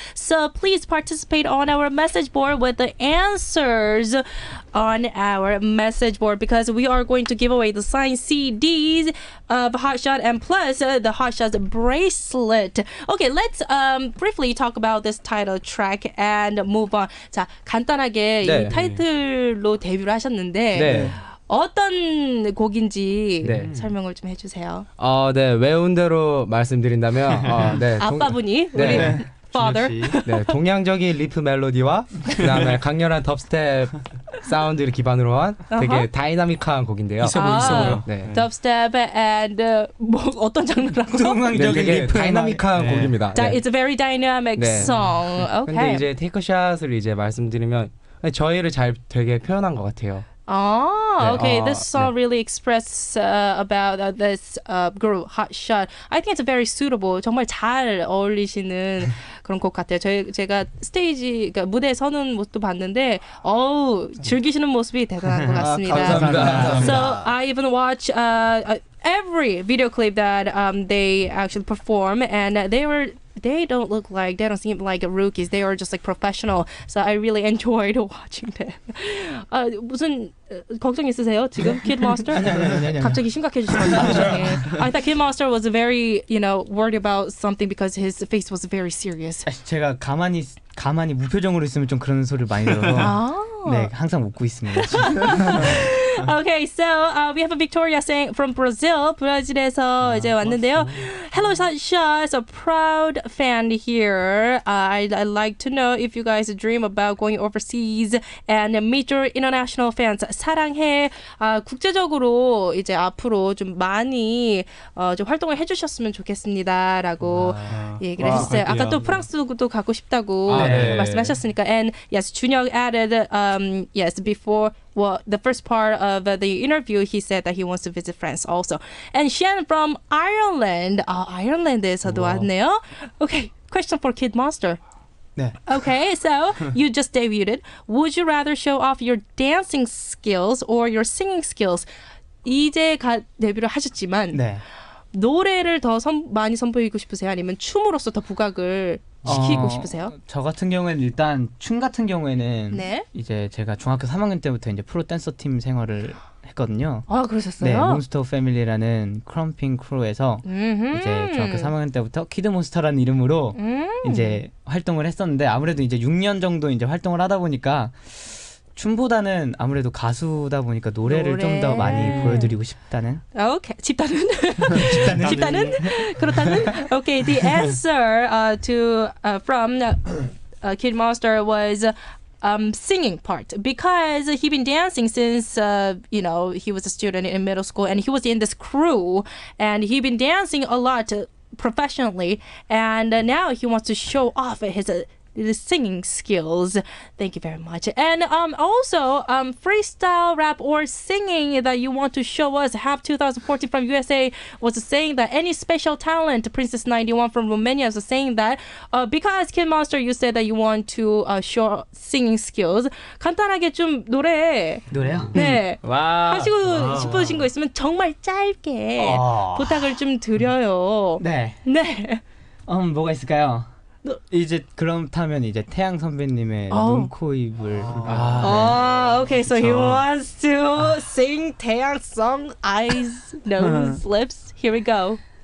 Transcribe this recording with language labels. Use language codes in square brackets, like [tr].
[en] So please participate on our message board with the answers on our message board because we are going to give away the signed CDs of Hotshot and plus the Hotshot bracelet. Okay, let's briefly talk about this title track and move on. [ko] 자, 간단하게 네. 이 타이틀로 데뷔를 하셨는데 네. 어떤 곡인지 네. 설명을 좀 해주세요. 네, 외운 대로 말씀드린다면 네, 아빠분이 네. 우리 father. 네, 동양적인 리프 멜로디와 그다음에 강렬한 덥스텝 사운드를 기반으로 한 되게 uh-huh. 다이나믹한 곡인데요. 있어 보여, 있어 보여. 네. 덥스텝 and 뭐 어떤 장르라고? 동양적인 네, 리프 다이나믹한 네. 곡입니다. [en] It's a very dynamic 네. song. Okay. [ko] 근데 이제 take a shot을 이제 말씀드리면 저희를 잘 되게 표현한 것 같아요. [en] Oh, okay. This song 네. really expresses about this girl, Hotshot. I think it's very suitable. [ko] 정말 잘 어울리시는 그런 곡 같아요. 제가 스테이지, 그러니까 무대에 서는 모습도 봤는데, 어우, 즐기시는 모습이 대단한 것 같습니다. 감사합니다. [en] So I even watch every video clip that they actually perform, and they don't seem like rookies. They are just like professional. So I really enjoyed watching them. [ko] 무슨 걱정 있으세요 지금 Kid Master? 갑자기 심각해지셨어요. [en] I thought Kid Master was very, you know, worried about something because his face was very serious. [ko] 제가 가만히 무표정으로 있으면 좀 그런 소리를 많이 들어서 네, 항상 웃고 있습니다. [en] Okay, so we have a Victoria saying from Brazil. [ko] 브라질에서 이제 왔는데요. [en] Hello, Hotshot. A proud fan here. I'd like to know if you guys dream about going overseas and meet your international fans. [ko] 사랑해. 국제적으로 이제 앞으로 좀 많이 좀 활동을 해주셨으면 좋겠습니다라고 얘기를 했어요. 아까 또 프랑스도 가고 싶다고 말씀하셨으니까. [en] And yes, 준혁 added yes before. Well, the first part of the interview, he said that he wants to visit France also. And Shen from Ireland. [ko] Ireland에서도 왔네요. [en] Okay, question for Kid Monster. [ko] 네. [en] Okay, so you just debuted. Would you rather show off your dancing skills or your singing skills? [ko] 이제 데뷔를 하셨지만 네. 노래를 더 많이 선보이고 싶으세요? 아니면 춤으로서 더 부각을 시키고 싶으세요? 저 같은 경우에는 일단 춤 같은 경우에는 네. 이제 제가 중학교 3학년 때부터 이제 프로 댄서 팀 생활을 했거든요. 아 그러셨어요? 네, 몬스터 패밀리라는 크럼핑 크루에서 이제 중학교 3학년 때부터 키드 몬스터라는 이름으로 이제 활동을 했었는데 아무래도 이제 6년 정도 이제 활동을 하다 보니까 춤보다는 아무래도 가수다 보니까 노래를 좀 더 많이 보여드리고 싶다는. 오케이 okay. 집단은 집단은 그렇다는. [en] 오케이 okay, the answer to from Kid Monster was singing part because he'd been dancing since you know he was a student in middle school and he was in this crew and he'd been dancing a lot professionally and now he wants to show off his the singing skills. Thank you very much. And also, freestyle rap or singing that you want to show us. Have 2014 from USA was saying that any special talent. Princess 91 from Romania was saying that because Kid Monster, you said that you want to show singing skills. [ko] 간단하게 좀 노래. 노래요? 네. 와. 하시고 싶으신 거 있으면 정말 짧게 부탁을 좀 드려요. 네. 네. 뭐가 있을까요? 이제 그렇다면 이제 태양 선배님의 눈, 코, 입을 [en] 네. Okay, so 그쵸. He wants to sing Taehyung song Eyes, Nose, Lips. Here we go.